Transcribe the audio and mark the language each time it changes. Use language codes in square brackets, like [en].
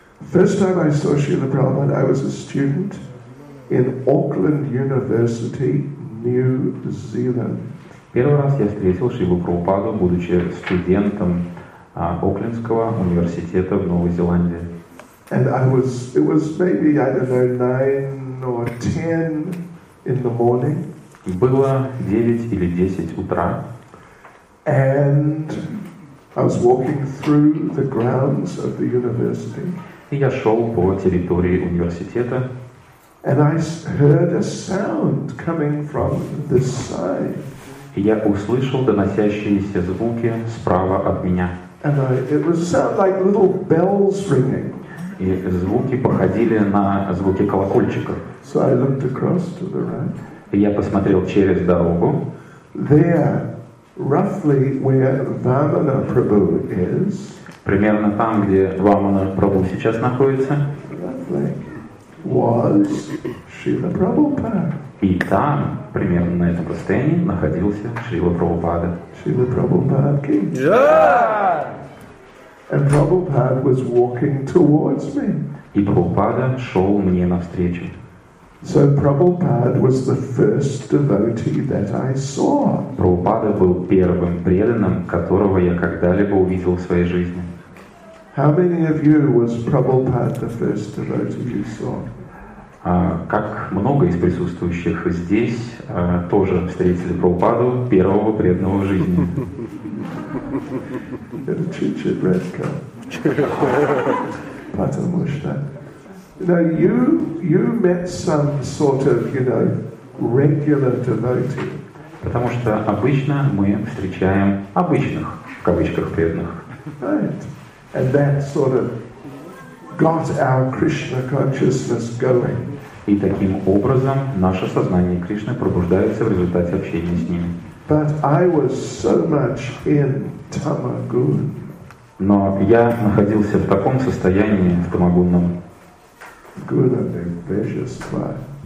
[en] First time I saw Srila Prabhupada, I was a student in Auckland University, New Zealand. [ru] Первый раз я встретил Шрилу Прабхупаду, будучи студентом Оклендского университета в Новой Зеландии. [en] And it was maybe 9 or 10 in the morning. [ru] Было 9 или 10 утра. [en] And I was walking through the grounds of the university. [ru] И я шел по территории университета. [en] And I heard a sound coming from this side. [ru] И я услышал доносящиеся звуки справа от меня. [en] And it was sound like little bells ringing. [ru] И звуки походили на звуки колокольчиков. [en] So I looked across to the right. [ru] И я посмотрел через дорогу. [en] There, roughly where Vamana Prabhu is. [ru] Примерно там, где Вамана Прабху сейчас находится. [en] Roughly was Srila Prabhupada. [ru] И там, примерно на этом расстоянии, находился Шрила Прабхупада. [hi] Шрила Прабхупада ки. [en] And Prabhupada was walking towards me. [ru] И Прабхупада шел мне навстречу. [en] So Prabhupada was the first devotee that I saw. [ru] Прабхупада был первым преданным, которого я когда-либо увидел в своей жизни. [en] How many of you was Prabhupada the first devotee you saw? [ru] Как много из присутствующих здесь тоже встретили Прабхупаду, первого преданного в жизни. Это чуть-чуть редко. Потому что... [en] Now you met some sort of, you know, regular devotee. [ru] Потому что обычно мы встречаем обычных, в кавычках, преданных. [en] Right. And that sort of got our Krishna consciousness going. [ru] И таким образом наше сознание Кришны пробуждается в результате общения с ними. [en] But I was so much in tamagun. [ru] Но я находился в таком состоянии, в тамагунном. [en] Good and ambitious fly.